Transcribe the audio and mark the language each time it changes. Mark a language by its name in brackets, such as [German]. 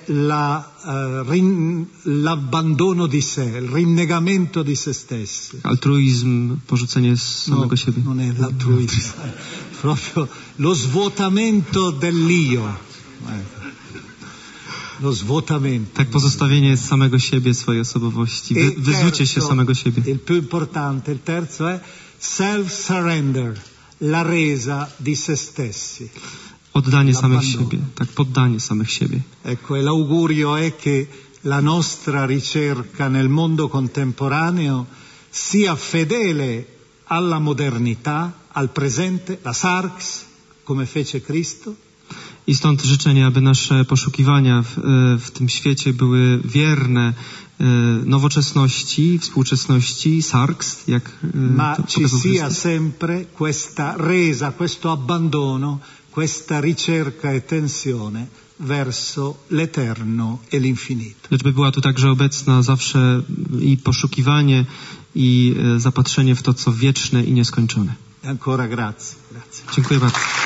[Italian] L'abbandono di sé, il rinnegamento di se stessi. [Polish] Altruizm, porzucenie samego siebie. [Italian] Non è l'altruizm, proprio lo svuotamento dell'io. Lo svuotamento. [Polish] Tak, pozostawienie samego siebie, swojej osobowości, wyzucie się samego siebie. [Italian] Il più importante, il terzo è self-surrender, la resa di se stessi. [Polish] Oddanie samych siebie, tak, poddanie samych siebie. [Italian] Ecco, e l'augurio è che la nostra ricerca nel mondo contemporaneo sia fedele alla modernità, al presente, la Sarx, come fece Cristo. [Polish] I stąd życzenie, aby nasze poszukiwania w tym świecie były wierne nowoczesności, współczesności, Sarx, jak [Italian] ma ci sia sempre questa resa, questo abbandono, questa ricerca e tensione verso l'eterno e l'infinito. [Polish] Lecz by była tu także obecna zawsze i poszukiwanie, i zapatrzenie w to, co wieczne i nieskończone. [Italian] Ancora grazie. Grazie. [Polish] Dziękuję bardzo.